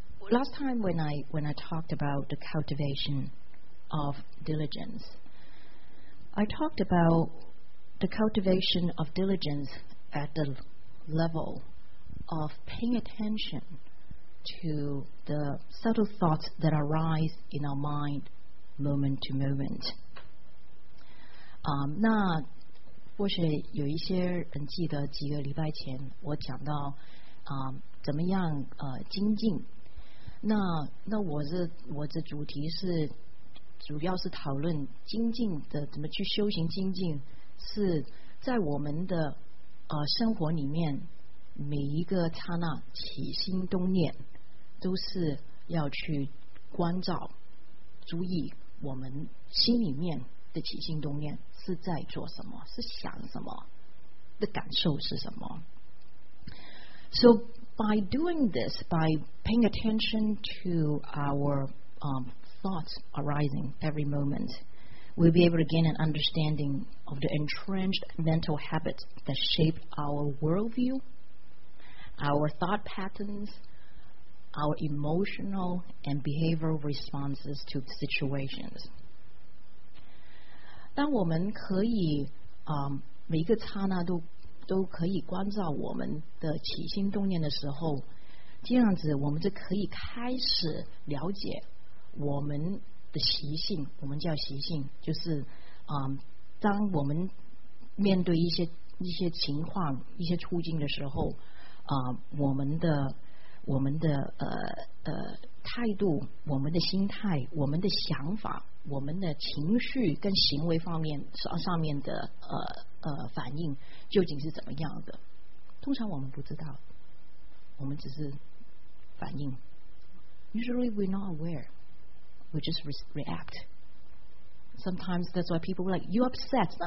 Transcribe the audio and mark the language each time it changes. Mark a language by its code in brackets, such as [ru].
[en] Last time when I talked about the cultivation of diligence, I talked about the cultivation of diligence at the level of paying attention to the subtle thoughts that arise in our mind moment to moment. [zh] 那或许有一些人记得几个礼拜前我讲到怎么样精进。那我的主题是主要是讨论精进的怎么去修行。精进是在我们的生活里面每一个刹那起心动念都是要去关照，注意我们心里面的起心动念是在做什么，是想什么，的感受是什么。 [en] So by doing this, by paying attention to our thoughts arising every moment, we'll be able to gain an understanding of the entrenched mental habits that shape our worldview, our thought patterns, our emotional and behavioral responses to situations. [zh] 当我们可以每一个刹那都可以关照我们的起心动念的时候，这样子我们就可以开始了解我们的习性。我们叫习性，就是当我们面对一些情况、一些处境的时候，我们的态度、我们的心态、我们的想法、我们的情绪跟行为上面的反应究竟是怎么样的。通常我们不知道，我们只是反应。 [en] Usually we're not aware, we just react. Sometimes that's why people are like, you upset.